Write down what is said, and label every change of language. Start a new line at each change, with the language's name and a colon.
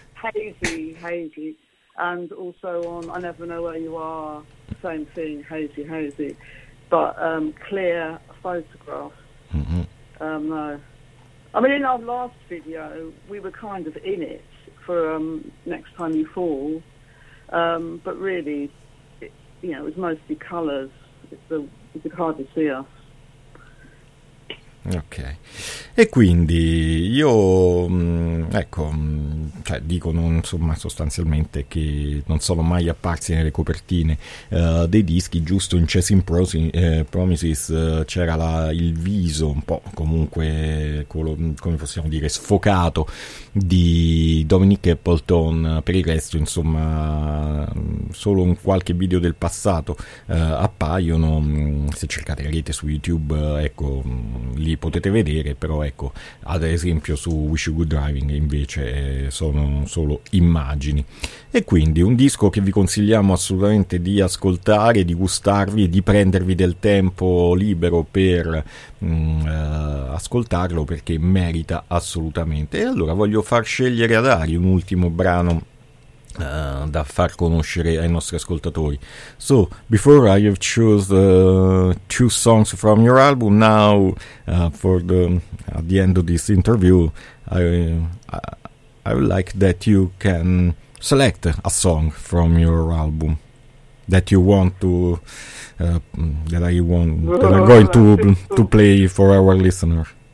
English: Hazy, and also on I Never Know Where You Are, same thing, hazy, but clear photograph. Mm-hmm. No, I mean, in our last video, we were kind of in it for Next Time You Fall. But really, you know, it was mostly colours. You could hardly see us.
Italian: Ok, e quindi io ecco, cioè dicono insomma sostanzialmente che non sono mai apparsi nelle copertine dei dischi, giusto in Chasing Promises c'era il viso un po' comunque come possiamo dire sfocato di Dominic Appleton, per il resto insomma solo un qualche video del passato appaiono, se cercate la rete su YouTube ecco lì potete vedere, però ecco ad esempio su We Should Go Driving invece sono solo immagini. E quindi un disco che vi consigliamo assolutamente di ascoltare, di gustarvi, di prendervi del tempo libero per ascoltarlo, perché merita assolutamente. E allora voglio far scegliere ad Ari un ultimo brano da far conoscere ai nostri ascoltatori.
English: So, before I have chosen two songs from your album, now for the at the end of this interview, I would like that you can select a song from your album that you want to that I'm going to play for our listener.